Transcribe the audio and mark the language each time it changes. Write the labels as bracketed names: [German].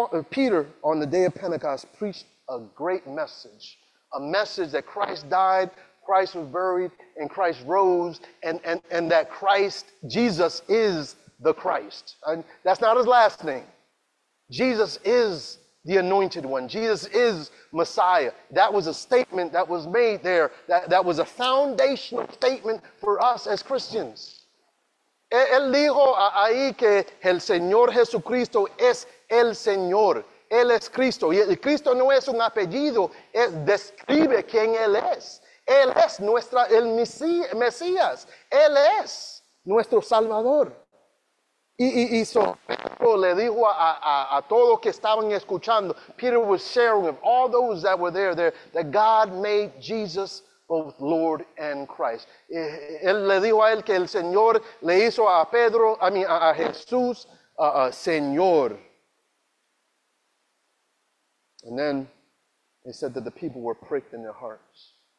[English] Peter, on the day of Pentecost, preached a great message, a message that Christ died, Christ was buried, and Christ rose, and that Christ, Jesus, is the Christ. And that's not his last name. Jesus is the anointed one. Jesus is Messiah. That was a statement that was made there. That was a foundational statement for us as Christians. [Spanish] Él dijo ahí que el Señor Jesucristo es el Señor. Él es Cristo. Y el Cristo no es un apellido. Él describe quién él es. Él es el Mesías. Él es nuestro Salvador. Y Pedro le dijo a todos que estaban escuchando, [English] Peter was sharing with all those that were there, that God made Jesus both Lord and Christ. [Spanish] Él le dijo a él que el Señor le hizo a Jesús, Señor. [English] And then he said that the people were pricked in their hearts.